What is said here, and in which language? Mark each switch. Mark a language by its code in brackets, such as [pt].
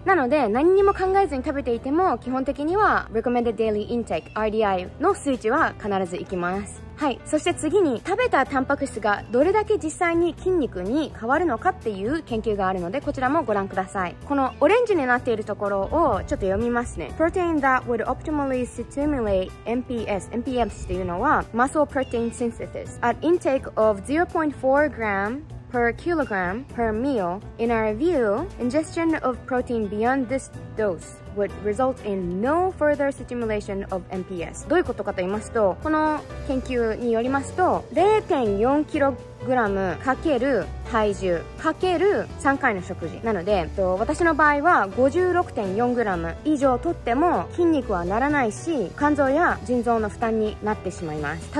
[ja] なので何にも考えずに食べていても基本的にはRecommended Daily Intake RDI の数値は必ずいきます。はい、そして次に食べたタンパク質がどれだけ実際に筋肉に変わるのかっていう研究があるので、こちらもご覧ください。このオレンジになっているところをちょっと読みますね。 [en] Protein that would optimally stimulate MPS MPS [ja] っていうのは [en] Muscle Protein Synthesis at intake of 0.4gper kilogram per meal. In our view, ingestion of protein beyond this dose would result in no further stimulation of MPS. [ja] どういうことかと言いますと、この研究によりますと 0.4kg かける体重かける3回の食事なので、私の場合は 56.4g 以上取っても筋肉はならないし、肝臓や腎臓の負担になってしまいます。